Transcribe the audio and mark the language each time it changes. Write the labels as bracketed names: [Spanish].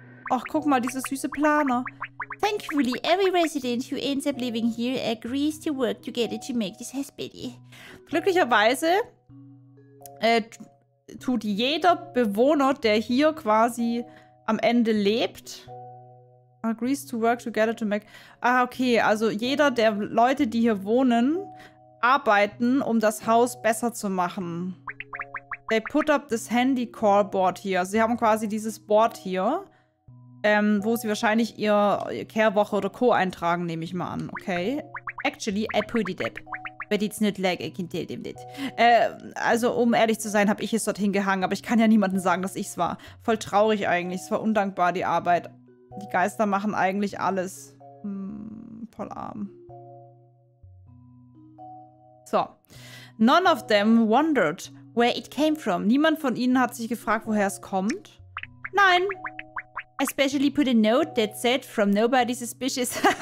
[German] Ach, guck mal, diese süße Planer. [English] Thankfully, every resident who ends up living here agrees to work together to make this house pretty. [German] Glücklicherweise tut jeder Bewohner, der hier quasi am Ende lebt, [English] agrees to work together to make... [German] Ah, okay. Also jeder der Leute, die hier wohnen, arbeiten, um das Haus besser zu machen. [English] They put up this handy call board here. [German] Sie haben quasi dieses Board hier, wo sie wahrscheinlich ihr Care-Woche oder Co. eintragen, nehme ich mal an. Okay. [English] Actually, I put it up. But it's not like I can tell them that. [German] Also, um ehrlich zu sein, habe ich es dorthin gehangen. Aber ich kann ja niemandem sagen, dass ich es war. Voll traurig eigentlich. Es war undankbar, die Arbeit. Die Geister machen eigentlich alles. Hm, voll arm. So. [English] None of them wondered where it came from. [German] Niemand von ihnen hat sich gefragt, woher es kommt. Nein. [English] Especially put a note that said from nobody suspicious.